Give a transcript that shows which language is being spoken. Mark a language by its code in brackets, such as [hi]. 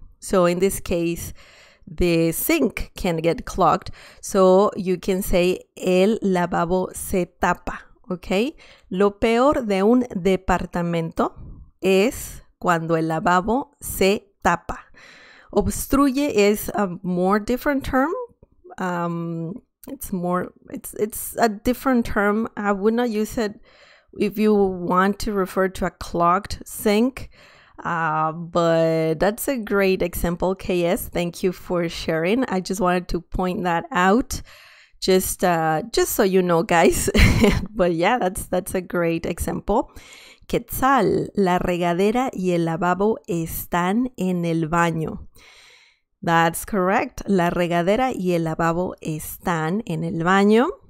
[en] So in this case, the sink can get clogged. So you can say [es] el lavabo se tapa, [en] okay? [es] Lo peor de un departamento es cuando el lavabo se tapa. [en] Obstruye is a more different term. It's a different term. I would not use it if you want to refer to a clogged sink. But that's a great example, KS. Thank you for sharing. I just wanted to point that out just so you know, guys. But yeah, that's a great example. [es] Quetzal, la regadera y el lavabo están en el baño. [en] That's correct. [es] La regadera y el lavabo están en el baño.